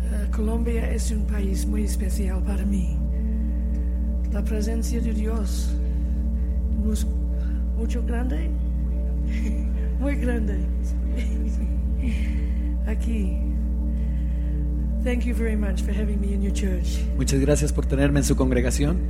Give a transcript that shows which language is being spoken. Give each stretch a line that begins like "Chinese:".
Spanish: Colombia es un país muy especial para mí. La presencia de Dios es mucho grande, muy grande. Aquí.
English: Thank you very much for having me in your church.
Spanish: Muchas gracias por tenerme en su congregación.